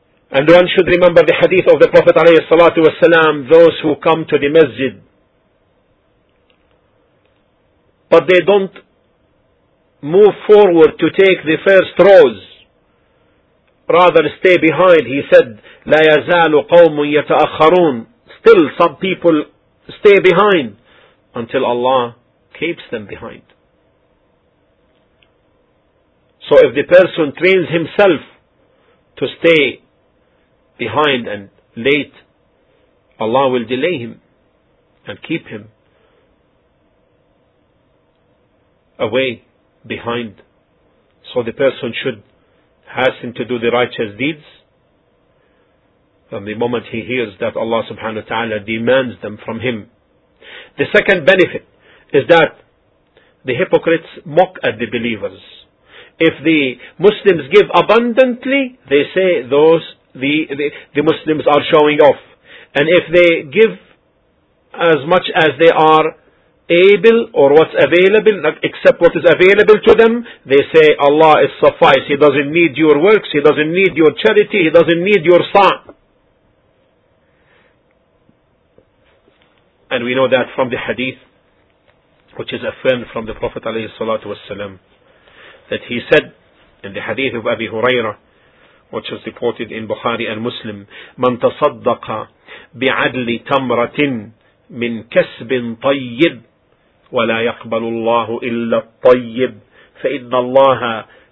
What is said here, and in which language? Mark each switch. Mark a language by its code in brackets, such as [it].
[en] And one should remember the hadith of the Prophet alayhi salatu wasalam, those who come to the masjid but they don't move forward to take the first rows, rather stay behind. He said, [ar] لا يزال قوم يتأخرون. [en] Still some people stay behind until Allah keeps them behind. So if the person trains himself to stay behind and late, Allah will delay him and keep him away behind. So the person should hasten to do the righteous deeds from the moment he hears that Allah subhanahu wa ta'ala demands them from him. The second benefit is that the hypocrites mock at the believers. If the Muslims give abundantly, they say those the Muslims are showing off. And if they give as much as they are able or what's available, except what is available to them, they say Allah is suffice. He doesn't need your works. He doesn't need your charity. He doesn't need your sa'. And we know that from the hadith, which is affirmed from the Prophet alayhi salatu wasalam, that he said in the hadith of Abi Huraira, which is reported in Bukhari and Muslim, [ar] من تصدق بعدل تمرة من كسب طيب ولا يقبل الله إلا الطيب فإن الله